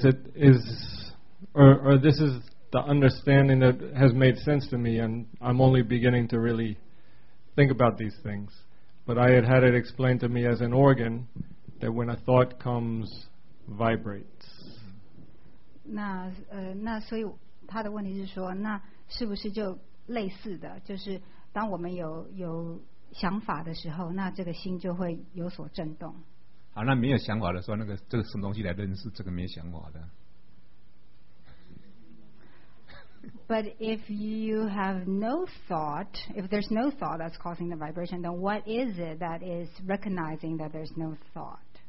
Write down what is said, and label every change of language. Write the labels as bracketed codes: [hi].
[en] It isis, or this is the understanding that has made sense to me, and I'm only beginning to really think about these things. But I had it explained to me as an organ that when a thought comes, vibrates. [zh] 那所以他的问题是说，那是不是就类似的，就是当我们有想法的时候，那这个心就会有所震动。好，那没有想法的时候，那个这个什么东西来认识这个没想法的？ [en] But if you have no thought, if there's no thought that's causing the vibration, then what is it that is recognizing that there's no thought?